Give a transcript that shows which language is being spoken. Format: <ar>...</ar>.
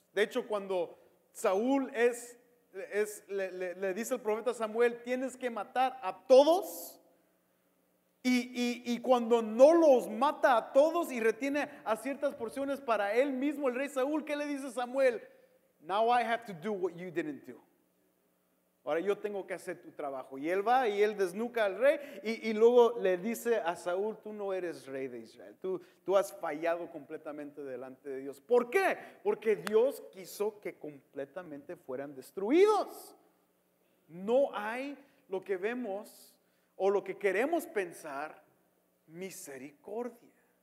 <es>De hecho, cuando Saúl le dice el profeta Samuel, tienes que matar a todos. Y cuando no los mata a todos y retiene a ciertas porciones para él mismo, el rey Saúl, ¿qué le dice Samuel?</es> <en>Now I have to do what you didn't do.</en> <es>Ahora yo tengo que hacer tu trabajo. Y él va y él desnuca al rey y luego le dice a Saúl, tú no eres rey de Israel. Tú has fallado completamente delante de Dios. ¿Por qué? Porque Dios quiso que completamente fueran destruidos. No hay lo que vemos o lo que queremos pensar, misericordia.</es>